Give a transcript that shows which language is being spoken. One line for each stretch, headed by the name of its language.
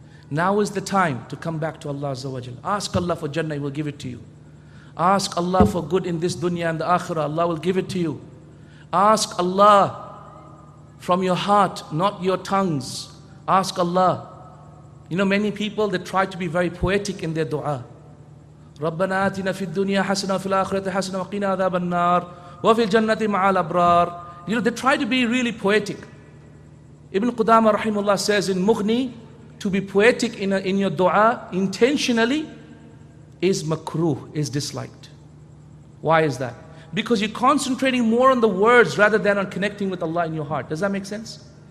English: Now is the time to come back to Allah Azza wa Jal. Ask Allah for Jannah, He will give it to you. Ask Allah for good in this dunya and the akhirah, Allah will give it to you. Ask Allah from your heart, not your tongues. Ask Allah. You know, many people, they try to be very poetic in their dua.
Arabic: رَبَّنَا آتِنَا فِي الدُّنْيَا حَسَنًا فِي الْآخِرَةِ حَسَنًا وَقِينَا عَذَابَ النَّارِ وَفِي الْجَنَّةِ مَعَ الْأَبْرَارِ.
English: You know, they try to be really poetic. Ibn Qudama rahimullah says in Mughni, to be poetic in your dua intentionally is makruh, is disliked. Why is that? Because you're concentrating more on the words rather than on connecting with Allah in your heart. Does that make sense?